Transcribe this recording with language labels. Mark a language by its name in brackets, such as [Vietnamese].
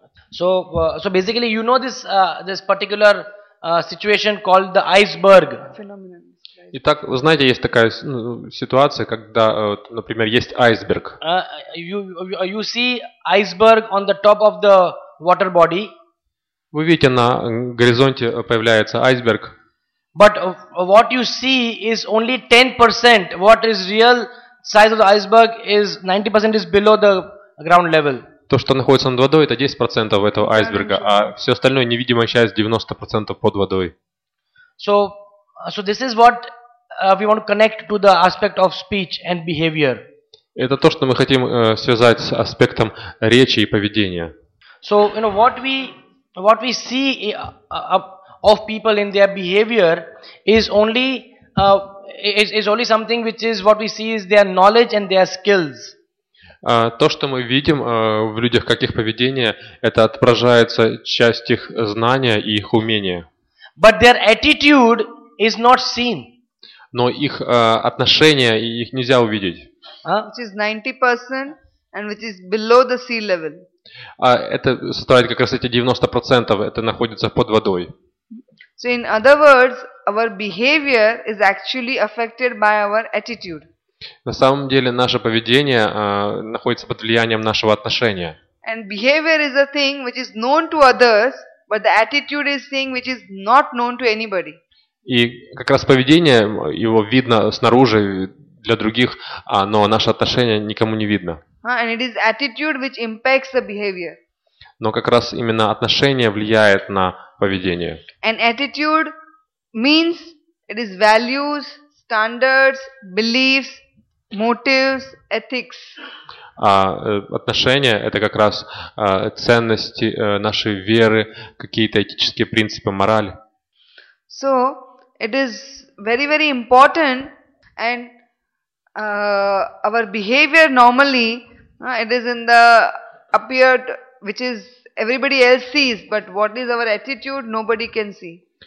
[English] So basically, you know this particular situation called the iceberg. [Russian] Итак, вы знаете, есть такая ситуация, когда, например, есть айсберг. [English] You see iceberg on the top of the water body. [Russian] Вы видите, на горизонте появляется айсберг. [English] But what you see is only 10%. What is real size of the iceberg is 90% is below the ground level. [Russian] То, что находится над водой, это 10% этого айсберга, а все остальное невидимая часть 90% под водой. [English] So this is what we want to connect to the aspect of speech and behavior. [Russian] Это то, что мы хотим связать с аспектом речи и поведения. [English] So, you know, what we see of people in their behavior is only something which is what we see is their knowledge and their skills. [Russian] То, что мы видим в людях, как их поведение, это отражается часть их знания и их умения. [English] But their attitude is not seen. [Russian] Но их отношения, их нельзя увидеть. [English] Which is 90% and which is below the sea level. [Russian] Это составляет как раз эти 90%, это находится под водой. [English] So in other words, our behavior is actually affected by our attitude. [Russian] На самом деле наше поведение находится под влиянием нашего отношения. [English] And behavior is a thing which is known to others, but the attitude is thing which is not known to anybody. [Russian] И как раз поведение, его видно снаружи для других, но наше отношение никому не видно. [English] And it is attitude which impacts the behavior. [Russian] Но как раз именно отношение влияет на поведение. [English] And attitude means it is values, standards, beliefs, motives, ethics. [Russian] Отношения — это как раз ценности нашей веры, какие-то этические принципы, морали. [English] So it is very, very important, and our behavior normally it is in the appeared which is everybody else sees, but what is our attitude nobody can see.